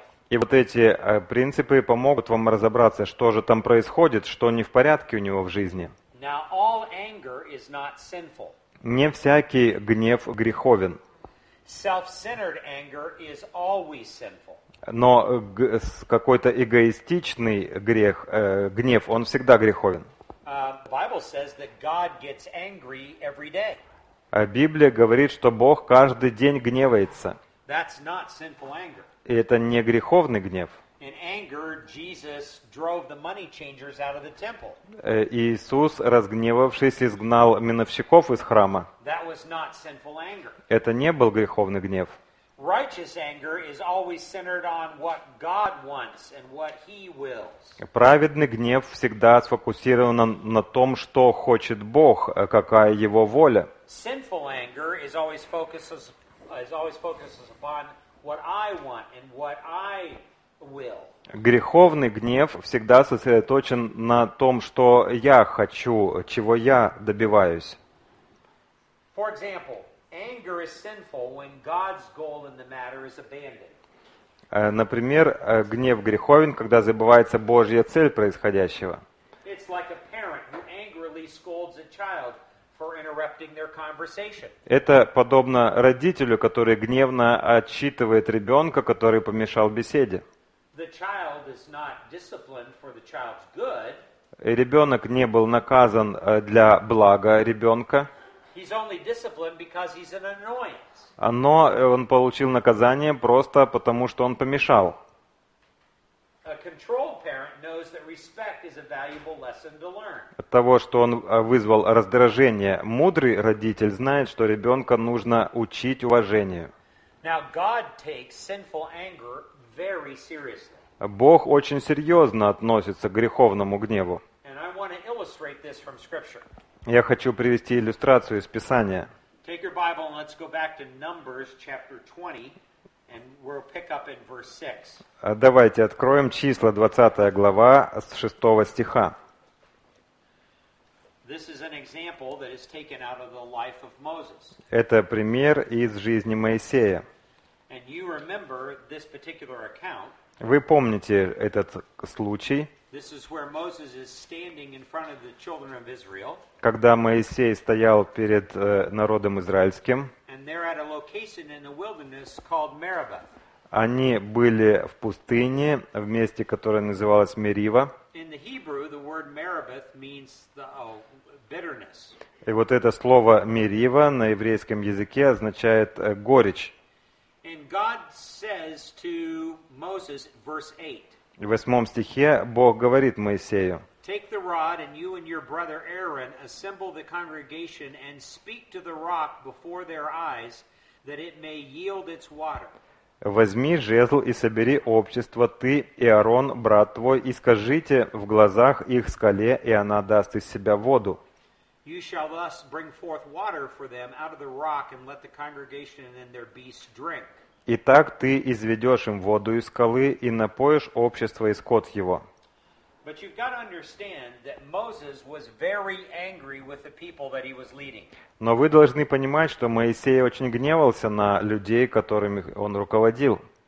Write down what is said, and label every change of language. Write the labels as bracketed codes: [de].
[ru] И вот эти принципы помогут вам разобраться, что же там происходит, что не в порядке у него в жизни. [en] Now, all anger is not sinful. [ru] Не всякий гнев греховен. [en] Self-centered anger is always sinful. [ru] Но какой-то эгоистичный грех, гнев, он всегда греховен. [en] Bible says that God gets angry every day. [ru] А Библия говорит, что Бог каждый день гневается. [en] That's not sinful anger. [ru] И это не греховный гнев. [en] In anger, Jesus drove the money changers out of the temple. [ru] Иисус, разгневавшись, изгнал миновщиков из храма. [en] That was not sinful anger. [ru] Это не был греховный гнев. [en] Righteous anger is always centered on what God wants and what He wills. [ru] Праведный гнев всегда сфокусирован на том, что хочет Бог, какая Его воля. [en] Sinful anger is always focused upon what I want and what I will. [ru] Греховный гнев всегда сосредоточен на том, что я хочу, чего я добиваюсь. [en] For example, anger is sinful when God's goal in the matter is abandoned. [ru] Например, гнев греховен, когда забывается Божья цель происходящего. [en] It's like a parent who angrily scolds a child for interrupting their conversation. [ru] Это подобно родителю, который гневно отчитывает ребенка, который помешал беседе. [en] The child is not disciplined for the child's good. [ru] Ребенок не был наказан для блага ребенка. [en] He's only disciplined because he's an annoyance. [ru] Но он получил наказание просто потому, что он помешал. [en] A controlled parent knows that respect is a valuable lesson to learn. [ru] От того, что он вызвал раздражение, мудрый родитель знает, что ребенка нужно учить уважению. [en] Now God takes sinful anger very seriously. [ru] Бог очень серьезно относится к греховному гневу. [en] And I want to illustrate this from scripture. [ru] Я хочу привести иллюстрацию из Писания. [en] Take your Bible and let's go back to Numbers chapter 20, and we'll pick up in verse 6. [ru] Давайте откроем числа 20 глава с 6 стиха. [en] This is an example that is taken out of the life of Moses. [ru] Это пример из жизни Моисея. [en] And you remember this particular account. [ru] Вы помните этот случай? [en] This is where Moses is standing in front of the children of Israel. [ru] Когда Моисей стоял перед народом израильским. [en] And they're at a location in the wilderness called Meribah. [ru] Они были в пустыне, в месте, которое называлось Мерива. [en] In the Hebrew, the word Meribah means bitterness. [ru] И вот это слово Мерива на еврейском языке означает горечь. [en] And God says to Moses, verse 8. [ru] В 8 стихе Бог говорит Моисею: [en] Take the rod and you and your brother Aaron assemble the congregation and speak to the rock before their eyes that it may yield its water. [ru] Возьми жезл и собери общество, ты и Аарон, брат твой, и скажите в глазах их скале, и она даст из себя воду. [en] You shall thus bring forth water for them out of the rock and let the congregation and their beasts drink. [ru] Итак, ты изведешь им воду из скалы и напоишь общество и скот его. Но вы должны понимать, что Моисей очень гневался на людей, которыми он руководил.